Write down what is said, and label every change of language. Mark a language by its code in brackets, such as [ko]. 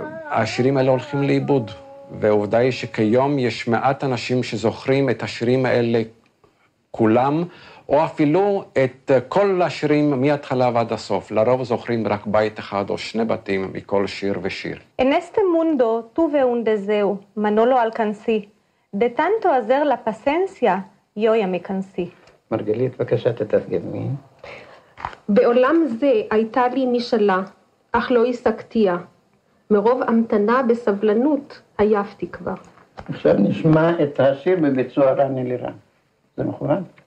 [he] השירים האלה הולכים לאיבוד, ועובדה היא שכיום יש מעט אנשים שזוכרים את השירים האלה כולם, או אפילו את כל השירים מהתחלה ועד הסוף. לרוב זוכרים רק בית אחד או שני בתים מכל שיר ושיר. [lad] En este mundo tuve un deseo, Manolo alcancé. De tanto hacer la paciencia, yo ya me cansé. [he] מרגלית, בבקשה תתרגמי. בעולם זה הייתה לי משאלה, אך לא הסקתיה. מרוב המתנה בסבלנות, עייפתי כבר. עכשיו נשמע את השיר בביצוע רני לירן. זה מכוון?